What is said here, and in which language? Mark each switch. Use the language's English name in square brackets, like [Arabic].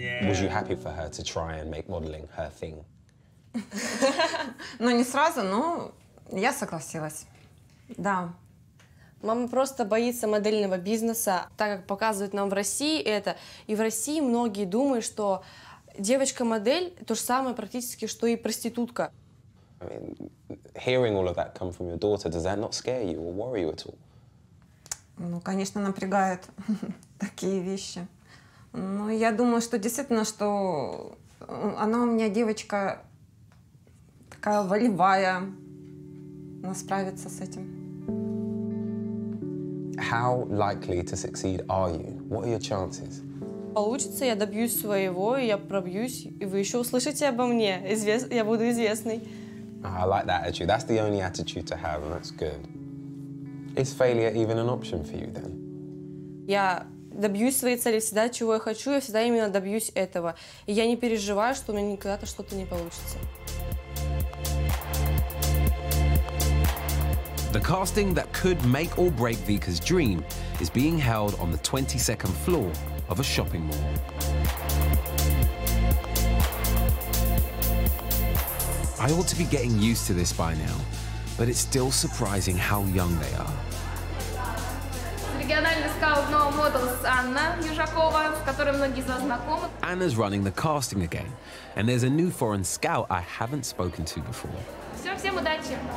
[English] Was you happy for her to try and make modeling her thing? [Russian] Ну, не сразу, но я согласилась. Да. Мама просто боится модельного бизнеса, так как показывают нам в России это. И в России многие думают, что девочка-модель то же самое практически, что и проститутка. [English] I mean, hearing all of that come from your daughter, does that not scare you or worry you at all? [Russian] Ну, конечно, напрягают такие вещи. Но я думаю, что действительно, что она у меня девочка такая волевая, она справится с этим. [English] How likely to succeed are you? What are your chances? [Russian] Получится, я добьюсь своего, я пробьюсь, и вы еще услышите обо мне. Я буду известный. [English] I like that attitude. That's the only attitude to have, and that's good. Is failure even an option for you then? [Russian] Я добьюсь своей цели всегда, чего я хочу, я всегда именно добьюсь этого. И я не переживаю, что у меня никогда-то что-то не получится. [English] The casting that could make or break Vika's dream is being held on the 22nd floor of a shopping mall. I ought to be getting used to this by now, but it's still surprising how young they are. [Russian] Региональный скаут нового модела Анна Южакова, с которой многие из вас знакомы. [English] Anna's running the casting again, and there's a new foreign scout I haven't spoken to before.